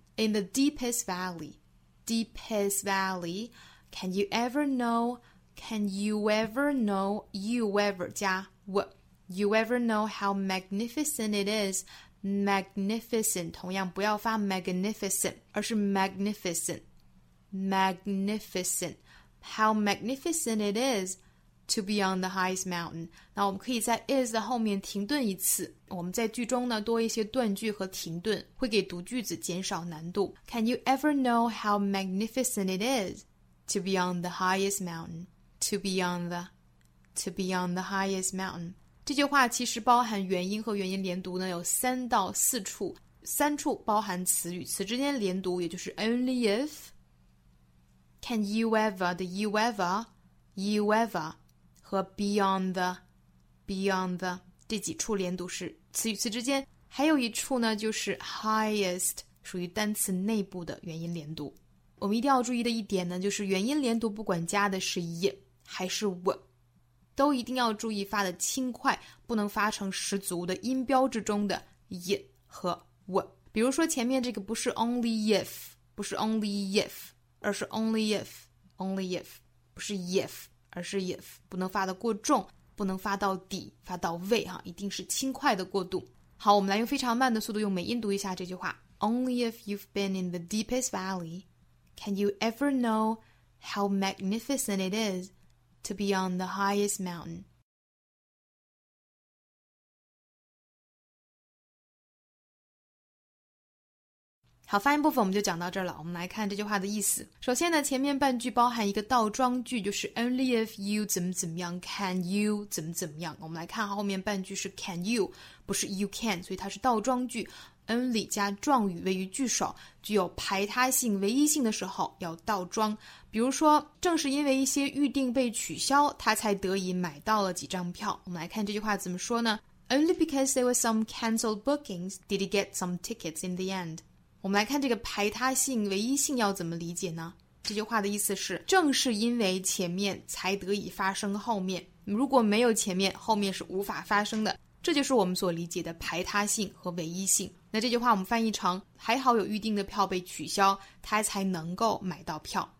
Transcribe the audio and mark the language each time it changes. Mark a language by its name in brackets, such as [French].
[English] In the deepest valley, deepest valley, can you ever know, can you ever know, you ever 加 what, you ever know how magnificent it is, magnificent, [Chinese] 同样不要发 [English] magnificent, 而是 magnificent, magnificent, how magnificent it is to be on the highest mountain. [Chinese] 那我们可以在 is 的后面停顿一次，我们在句中呢多一些断句和停顿，会给读句子减少难度。 [English] Can you ever know how magnificent it is to be on the highest mountain? To be on the, to be on the highest mountain. [Chinese] 这句话其实包含元音和元音连读呢有三到四处，三处包含词与词之间连读，也就是 only if, can you ever, the you ever, you ever, 和 be on the, be on the. 这几处连读是词与词之间，还有一处呢就是 highest， 属于单词内部的元音连读。我们一定要注意的一点呢，就是元音连读不管加的是 y 还是 w， 都一定要注意发的轻快，不能发成十足的音标之中的 y 和 w。比如说前面这个不是 only if， 不是 only if， 而是 only if， only if， 不是 if， 而是 if， 不能发的过重，不能发到底，发到位哈，一定是轻快的过渡。好，我们来用非常慢的速度用美音读一下这句话。 [English] Only if you've been in the deepest valley, can you ever know how magnificent it is to be on the highest mountain. [Chinese] 好，发音部分我们就讲到这儿了。我们来看这句话的意思。首先呢，前面半句包含一个倒装句，就是 only if you 怎么怎么样， can you 怎么怎么样。我们来看后面半句是 can you， 不是 you can， 所以它是倒装句。 only 加状语位于句首，具有排他性、唯一性的时候要倒装。比如说，正是因为一些预定被取消，他才得以买到了几张票。我们来看这句话怎么说呢？ [English] Only because there were some cancelled bookings did he get some tickets in the end. [Chinese] 我们来看这个排他性、唯一性要怎么理解呢？这句话的意思是，正是因为前面才得以发生后面，如果没有前面，后面是无法发生的。这就是我们所理解的排他性和唯一性。那这句话我们翻译成，还好有预定的票被取消，他才能够买到票。